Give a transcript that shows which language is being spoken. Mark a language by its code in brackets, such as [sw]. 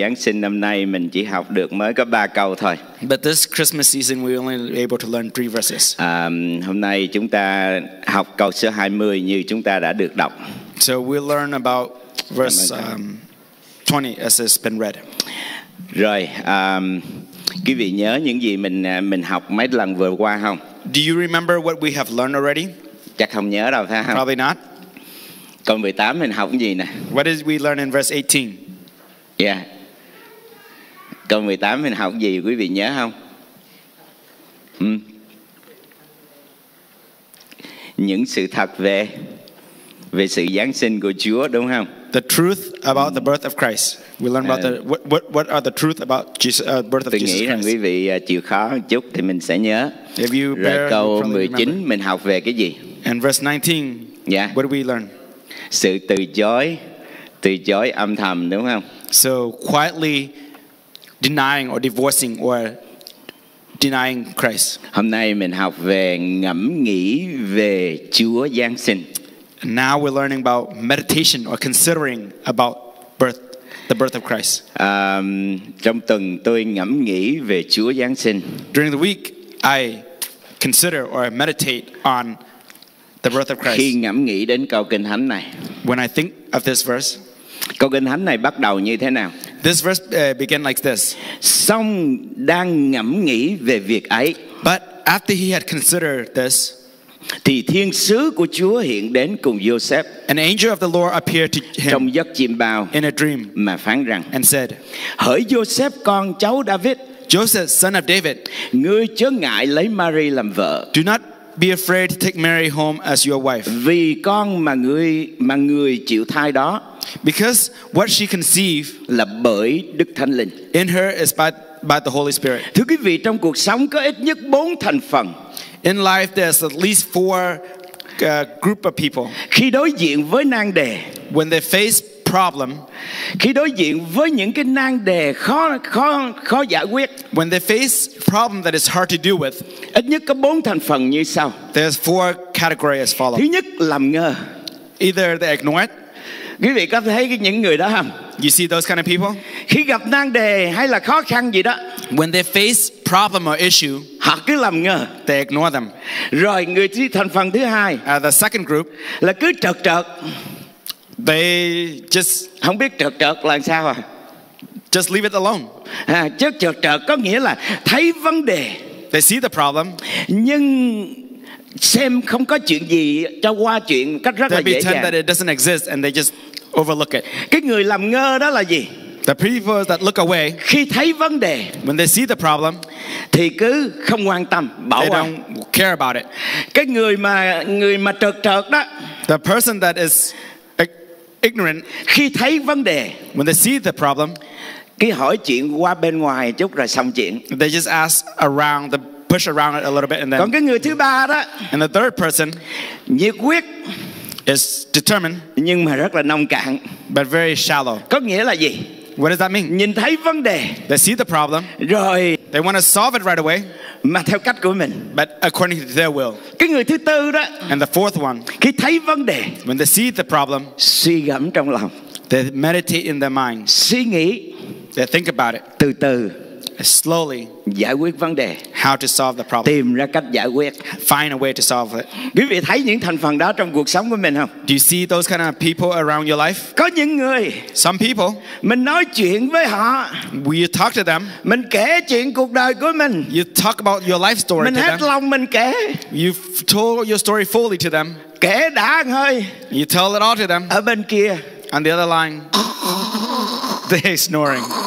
[vi] Giáng sinh năm nay mình chỉ học được mới có 3 câu thôi. [en] But this Christmas season we only able to learn 3 verses. [vi] Hôm nay chúng ta học câu số 20 như chúng ta đã được đọc. [en] So we learn about verse 20 as it's been read. [vi] Rồi, quý vị nhớ những gì mình học mấy lần vừa qua không? [en] Do you remember what we have learned already? [vi] Chắc không nhớ đâu phải không? [en] Probably not. [vi] Câu 18 mình học cái gì nè? [en] What did we learn in verse 18? Yeah. [vi] Câu 18 mình học gì quý vị nhớ không? Những sự thật về sự Giáng sinh của Chúa đúng không? [en] The truth about the birth of Christ. We learn about what are the truth about Jesus, birth of [vi] Tôi nghĩ rằng quý vị chịu khó một chút thì mình sẽ nhớ. [en] If you bear, [vi] rồi câu 19 mình học về cái gì? [en] And verse 19, yeah. What do we learn? [vi] Sự từ chối âm thầm đúng không? [en] So quietly denying or divorcing or denying Christ. [vi] Hôm nay mình học về ngẫm nghĩ về Chúa Giáng sinh. [en] Now we're learning about meditation or considering about birth, the birth of Christ. [vi] Trong tuần tôi ngẫm nghĩ về Chúa Giáng sinh. [en] During the week, I consider or meditate on the birth of Christ. [vi] Khi ngẫm nghĩ đến câu kinh thánh này. [en] When I think of this verse. [vi] Câu kinh thánh này bắt đầu như thế nào? [en] This verse began like this. [vi] Xong đang ngẫm nghĩ về việc ấy. [en] But after he had considered this. [vi] Thì thiên sứ của Chúa hiện đến cùng Joseph. [en] An angel of the Lord appeared to him. [vi] Trong giấc chiêm bao. [en] In a dream. [vi] Mà phán rằng. [en] And said. [vi] Hỡi Joseph con cháu David. [en] Joseph son of David. [vi] Ngươi chớ ngại lấy Mary làm vợ. [en] Do not be afraid to take Mary home as your wife. [vi] Vì con mà người chịu thai đó. [en] Because what she conceived [vi] là bởi Đức Thánh Linh. [en] In her is by the Holy Spirit. [vi] Thưa quý vị, trong cuộc sống có ít nhất 4 thành phần. [en] In life there's at least 4 group of people. [vi] Khi đối diện với nan đề, [en] when they face problem, [vi] khi đối diện với những cái nan đề khó giải quyết, [en] when they face problem that is hard to deal with, [vi] ít nhất có 4 thành phần như sau. [en] There's 4 categories as follows. [vi] Thứ nhất, làm ngơ. [en] Either they ignore it. [vi] Quý vị có thấy những người đó không? [en] You see those kind of people? [vi] Khi gặp nan đề hay là khó khăn gì đó, [en] when they face problem or issue, [vi] họ cứ làm ngơ. [en] They ignore them. [vi] Rồi người thứ thành phần thứ hai, [en] the second group, [vi] là cứ trật trật. [en] They just [vi] không biết trật trật là sao à? [en] Just leave it alone. [vi] Chứ trật trật có nghĩa là thấy vấn đề. [en] They see the problem. [vi] Nhưng xem không có chuyện gì cho qua chuyện cách rất [en] they [vi] là dễ dàng. [en] They pretend that it doesn't exist and they just overlook it. [vi] Cái người làm ngơ đó là gì? [en] The people that look away. [vi] Khi thấy vấn đề, [en] when they see the problem, [vi] thì cứ không quan tâm, bỏ qua. [en] They don't care about it. [vi] Cái người mà trật trật đó. [en] The person that is ignorant, [vi] khi thấy vấn đề, [en] when they see the problem, [vi] cái hỏi chuyện qua bên ngoài chút rồi xong chuyện. [en] They just ask around, the push around it a little bit, and then. [vi] Còn cái người thứ ba đó, [en] and the third person, [vi] nhiệt quyết, [en] is determined, [vi] nhưng mà rất là nông cạn, [en] but very shallow. [vi] Có nghĩa là gì? [en] What does that mean? [vi] Nhìn thấy vấn đề, [en] they see the problem, [vi] rồi [en] they want to solve it right away, [vi] mà theo cách của mình, [en] but according to their will. [vi] Cái người thứ tư đó, [en] and the fourth one, [vi] khi thấy vấn đề, [en] when they see the problem, [vi] suy gẫm trong lòng, [en] they meditate in their mind, [vi] suy nghĩ, [en] they think about it, [vi] từ từ, [en] slowly, [vi] giải quyết vấn đề, [en] how to solve the problem, [vi] tìm ra cách giải quyết, [en] find a way to solve it. [vi] Quý vị thấy những thành phần đó trong cuộc sống của mình không? [en] Do you see those kind of people around your life? [vi] Có những người, [en] some people, [vi] mình nói chuyện với họ, [en] we talk to them, [vi] mình kể chuyện cuộc đời của mình, [en] you talk about your life story, [vi] mình hết lòng mình kể, [en] you told your story fully to them, [vi] kể đã hơi, [en] you tell it all to them. [vi] Ở bên kia, [en] on the other line, they snoring.